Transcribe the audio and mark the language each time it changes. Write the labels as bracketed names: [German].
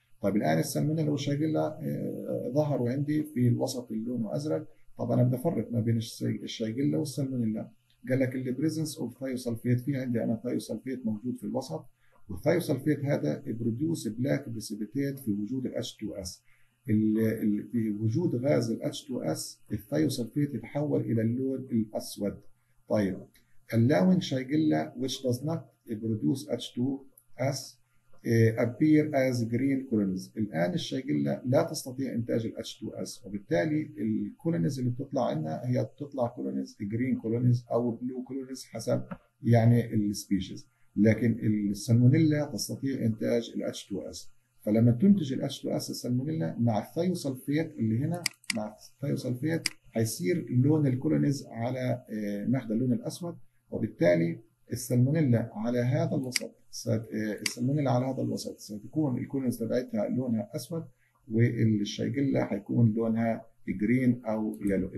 [Arabic] طيب الان السلمونيلا والشيجيلا ظهروا عندي في الوسط اللون ازرق، طبعا انا بدي افرق ما بين الشيجيلا والسلمونيلا. قال لك [English] البريزنس of thiosulfate, [Arabic] في عندي انا ثايوسلفيت موجود في الوسط، والثايوسلفيت هذا [English] produce black precipitate [Arabic] في وجود الاتش 2 اس. في وجود غاز الاتش 2 اس الثايوسلفيت يتحول الى اللون الاسود. طيب اللون [English] Shigella which does not produce H 2 S appear as green colonies. [Arabic] الان الشيجيلا لا تستطيع انتاج الاتش 2 اس، وبالتالي الكولونيز اللي بتطلع عندنا هي بتطلع كولونيز جرين كولونيز او بلو كولونيز حسب يعني السبيشيز، لكن السالمونيلا تستطيع انتاج الاتش 2 اس. فلما تنتج الاتش 2 اس السالمونيلا مع الثايوسلفيت اللي هنا مع الثايوسلفيت هيصير لون الكولونيز على مخدة اللون الاسود، وبالتالي السالمونيلا على هذا الوسط السالمونيلا على هذا الوسط ستكون الكولونز تبعتها لونها اسود، والشيجيلا هيكون لونها جرين او يلو.